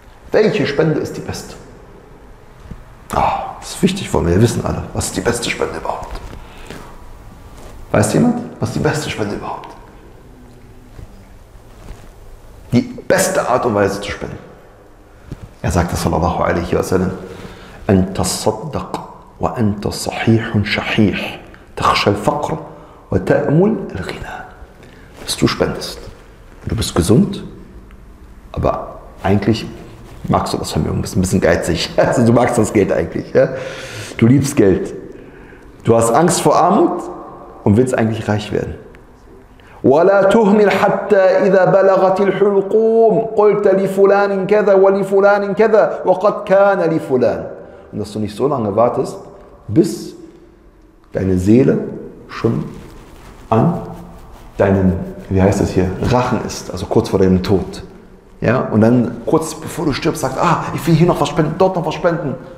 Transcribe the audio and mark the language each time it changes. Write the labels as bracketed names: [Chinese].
[German] Welche Spende ist die beste? Ah, das ist wichtig für mich, wir wissen alle, was ist die beste Spende überhaupt? Weiß jemand, was ist die beste Spende überhaupt? Die beste Art und Weise zu spenden. Er sagte [Arabic] sallallahu alaihi wa sallam, أنت الصدق وأنت صحيح شحيح تخشى الفقر وتأمل الغنى. [German] Dass du spendest. Du bist gesund, aber eigentlich magst du das Vermögen, bist ein bisschen geizig. Also du magst das Geld eigentlich. Ja? Du liebst Geld. Du hast Angst vor Armut und willst eigentlich reich werden. [Arabic] ولا تهمل حتى إذا بلغت الحلقوم قلت لفلان كذا ولفلان كذا وقد كان لفلان. [German] Und dass du nicht so lange wartest, bis deine Seele schon an deinem, wie heißt das hier, Rachen ist, also kurz vor deinem Tod. Ja? Und dann kurz bevor du stirbst, sagst, ah, ich will hier noch was spenden, dort noch was spenden.